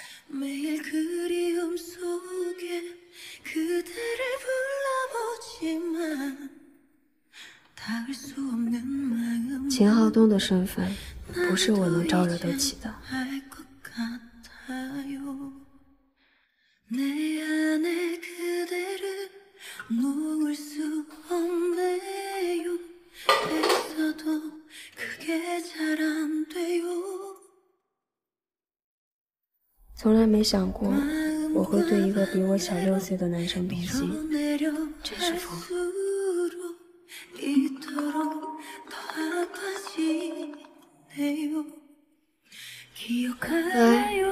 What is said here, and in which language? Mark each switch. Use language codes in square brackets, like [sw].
[ko] 매일 그리움속에 그대를 불러보지만 닿을 수 없는 마음 [zh] 秦浩东的身份不是我能招惹得起的。 [ko] 내안에 그대를 놓을 수 없네요 했어도 그게 잘 안 돼요 [zh] 从来没想过我会对一个比我小六岁的男生动心，真是疯。来，